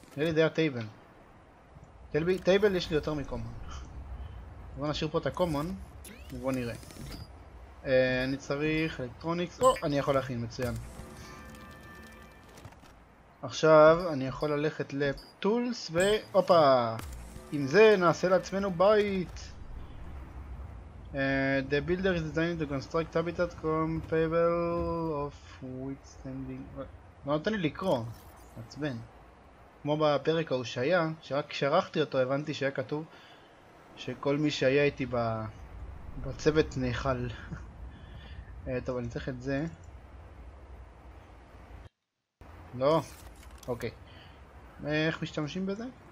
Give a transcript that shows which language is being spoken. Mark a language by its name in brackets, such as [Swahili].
[Hebrew] נראה לי זה היה טייבל. טייבל יש לי יותר מקומון. בוא נשאיר פה את הקומון. בוא נראה. אני צריך אלקטרוניקס, או, אני יכול להכין, מצוין. עכשיו אני יכול ללכת לטולס, והופה, עם זה נעשה לעצמנו בית. [English] The builder is designed to construct habitat compatible of withstanding. [Hebrew] לא נותן לי לקרוא, מעצבן. כמו בפרק ההוא שהיה, שרק כשערכתי אותו הבנתי שהיה כתוב שכל מי שהיה איתי ב... בצוות נאכל. טוב, אני צריך את זה. לא? אוקיי. איך משתמשים בזה?